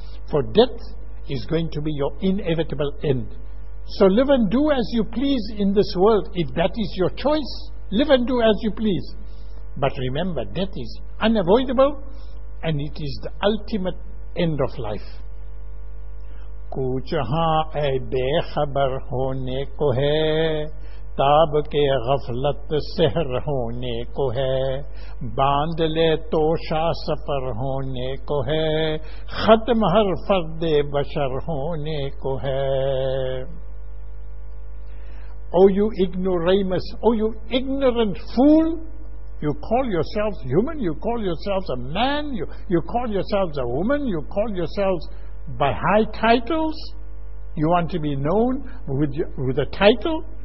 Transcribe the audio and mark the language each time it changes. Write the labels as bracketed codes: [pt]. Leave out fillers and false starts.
[en] For death is going to be your inevitable end. So live and do as you please in this world. If that is your choice, live and do as you please. But remember, death is unavoidable and it is the ultimate end of life. [ur] Kuchahan ay bekhabar hone ko hai, تاب کے غفلت سحر ہونے کو ہے باندھ لے توشہ سفر ہونے کو ہے ختم ہر فرد بشر ہونے کو ہے. [en] Oh you ignoramus, oh you ignorant fool, you call yourselves human, you call yourselves a man, you call yourselves a woman, you call yourselves by high titles, you want to be known with a title.